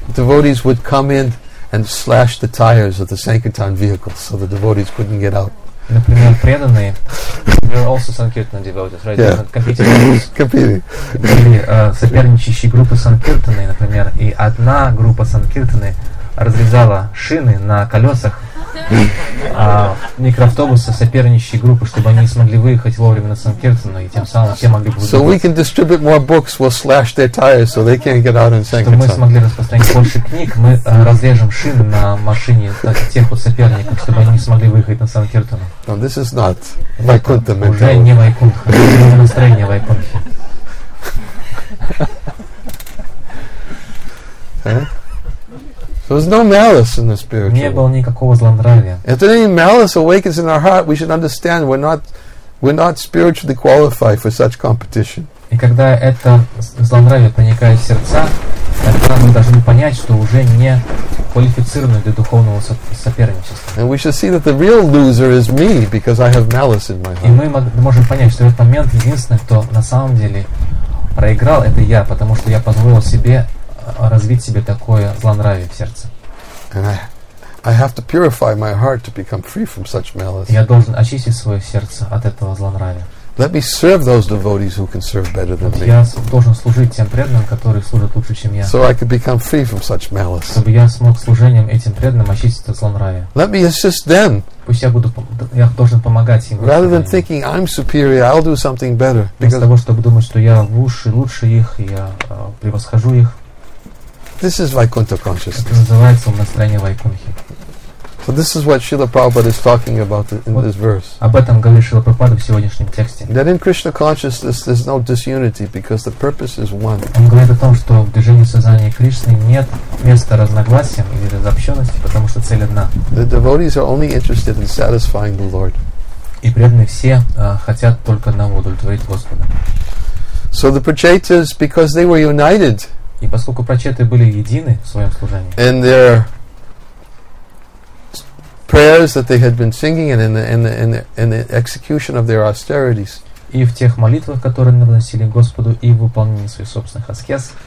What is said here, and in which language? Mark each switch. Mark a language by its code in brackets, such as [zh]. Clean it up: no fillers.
[en] Devotees would come in and slash the tires of the Sankirtan vehicles so the devotees couldn't get out. [ru] Например, преданные, [en] they were also Sankirtan devotees, right? Yeah. Competing. [ru] Были соперничающие группы Sankirtanы, например, и одна группа Sankirtanы разрезала шины на колесах микроавтобуса соперничающей группы, чтобы они смогли выехать вовремя на Санкиртану, и тем самым все могли бы выехать. [en] So we can distribute more books, we'll slash their tires so they can't get out in Sankirtan. [ru] Чтобы мы смогли распространить больше книг, мы разрежем шины на машине тех вот соперников, чтобы они не смогли выехать на Санкиртану. [en] No, this is not Вайкунтха mental. [ru] Уже не Вайкунтха, это не настроение Вайкунтхи. [en] There was no malice in the spiritual. [ru] Не было никакого злонравия. [en] If any malice awakens in our heart, we should understand we're not spiritually qualified for such competition. [ru] И когда это злонравие проникает в сердца, тогда мы должны понять, что уже не квалифицированы для духовного соперничества. [en] And we should see that the real loser is me because I have malice in my heart. [ru] И мы можем понять, что в этот момент единственный, кто на самом деле проиграл, это я, потому что я позволил себе развить себе такое злонравие в сердце. [en] I have to purify my heart to become free from such malice. [ru] Я должен очистить свое сердце от этого злонравия. [en] Let me serve those devotees who can serve better than me. [ru] Я должен служить тем преданным, которые служат лучше, чем я. [en] So I could become free from such malice. [ru] Чтобы я смог служением этим преданным очистить от злонравия. [en] Let me assist them. [ru] Пусть я должен помогать им. [en] Rather than thinking I'm superior, I'll do something better. [ru] Вместо того, чтобы думать, что я лучше их, я превосхожу их. [en] This is Vaikuntha consciousness. [ru] Это называется настроение Вайкунхи. [en] So this is what Srila Prabhupada is talking about in this verse. [ru] Об этом говорит Шрила Прабхупада в сегодняшнем тексте. [en] That in Krishna consciousness there's no disunity because the purpose is one. [ru] Он говорит о том, что в движении сознания Кришны нет места разногласиям или разобщенности, потому что цель одна. [en] The devotees are only interested in satisfying the Lord. [ru] И преданные все хотят только одного, удовлетворить Господа. [en] So the prachetas, because they were united, [ru] и поскольку прачеты были едины в своем служении, [en] and their prayers that they had been singing and in the execution of their austerities, [ru] и в тех молитвах, которые они вносили Господу, и в выполнении своих собственных аскез,